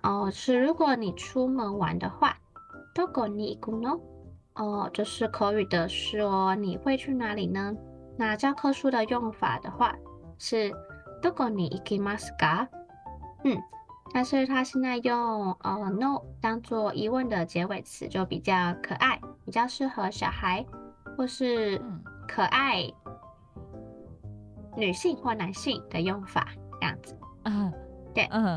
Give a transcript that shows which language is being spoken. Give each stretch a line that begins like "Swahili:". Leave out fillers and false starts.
Chinese: 是如果你出门玩的话，
Japanese: どこに行くの？
Chinese: 就是口语的说你会去哪里呢？那教科书的用法的话是
Japanese: どこに行きますか？
Chinese: 但是他现在用no 当作疑问的结尾词，就比较可爱，比较适合小孩或是可爱女性或男性的用法这样子。对。